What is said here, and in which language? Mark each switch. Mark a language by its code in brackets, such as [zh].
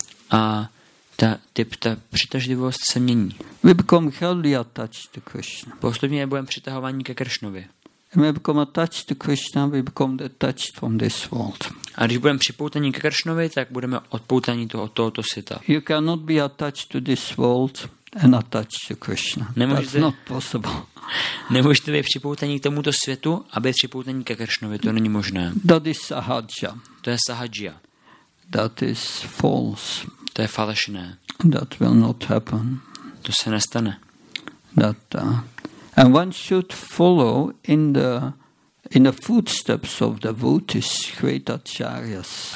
[cs] A ta přitažlivost se mění. [en] We become heavily attached to Krishna. [cs] Postupně budeme přitahováni ke Kršnovi. [en] We become attached to Krishna, we become detached from this world. [cs] A když budeme připoutaní ke Kršnovi, tak budeme odpoutaní od tohoto světa. [en] You cannot be attached to this world and attached to Krishna. [cs] Nemůžete, [en] that's not possible. [cs] Nemůžete být připoutaní k tomuto světu a být připoutaní ke Kršnovi, to není možné. [en] That is sahaja. [cs] To je sahaja. [en] That is false. [cs] To je falešné. [en] That will not happen. [cs] To se nestane. [en] That, and one should follow in the footsteps of the devotees, great acharyas.